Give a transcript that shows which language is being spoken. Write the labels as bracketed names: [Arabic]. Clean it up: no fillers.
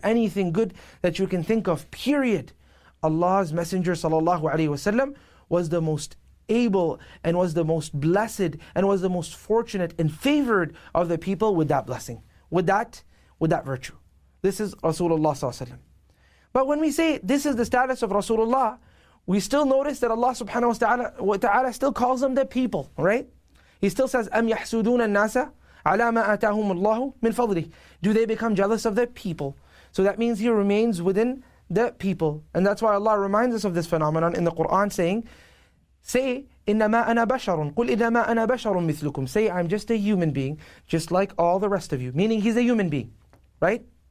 [English] Anything good that you can think of, period. Allah's messenger sallallahu alayhi wa sallam was the most able and was the most blessed and was the most fortunate and favored of the people with that blessing, with that virtue. This is Rasulullah sallallahu alayhi wa sallam. But when we say this is the status of Rasulullah, we still notice that Allah subhanahu wa ta'ala still calls them the people, right? He still says, [Arabic] أَمْ يَحْسُدُونَ النَّاسَ عَلَىٰ مَا آتَاهُمُ اللَّهُ مِنْ فَضْلِهِ. [English] Do they become jealous of the people? So that means he remains within the people. And that's why Allah reminds us of this phenomenon in the Quran saying, say, [Arabic] إِنَّمَا أَنَا بَشَرٌ قُلْ إِنَّمَا أَنَا بَشَرٌ مِثْلُكُمْ. [English] Say, I'm just a human being, just like all the rest of you. Meaning he's a human being, right?